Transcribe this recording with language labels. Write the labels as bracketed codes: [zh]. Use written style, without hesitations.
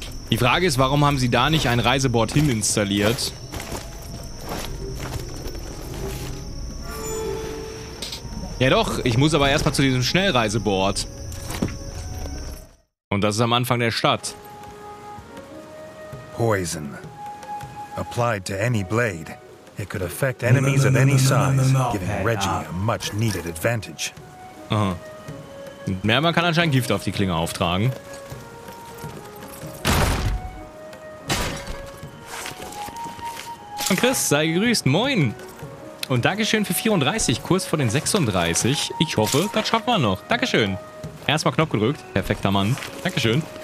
[de] Die Frage ist, warum haben sie da nicht ein Reisebord hin installiert? Ja doch, ich muss aber erstmal zu diesem Schnellreisebord. Und das ist am Anfang der Stadt. [en] Poison. Applied to any blade. It could affect enemies of any size, giving Reggie a much needed advantage. Aha. [de] Man kann anscheinend Gift auf die Klinge auftragen. Und Chris, sei gegrüßt, moin! Und Dankeschön für 34, kurz vor den 36. Ich hoffe, das schaffen wir noch. Dankeschön! Erstmal Knopf gedrückt, perfekter Mann. Dankeschön.